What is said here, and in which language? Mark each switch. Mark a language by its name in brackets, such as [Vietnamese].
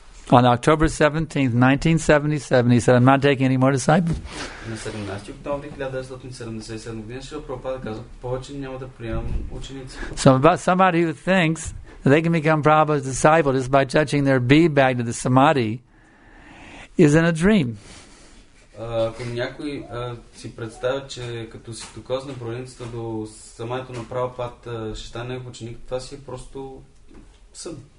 [English] On October 17th, 1977, he said, I'm not taking any more disciples. [Bulgarian] На 17 октомври 1977 година Шрила Прабхупада каза, повече няма да приемам ученици. [English] So about somebody who thinks they can become Prabhupada's disciple just by touching their bee bag to the samadhi is in a dream. [Bulgarian] Ако някой си представя, че като си докосне броленицата до самадито на Прабхупада ще стане негов ученик, това си е просто сън.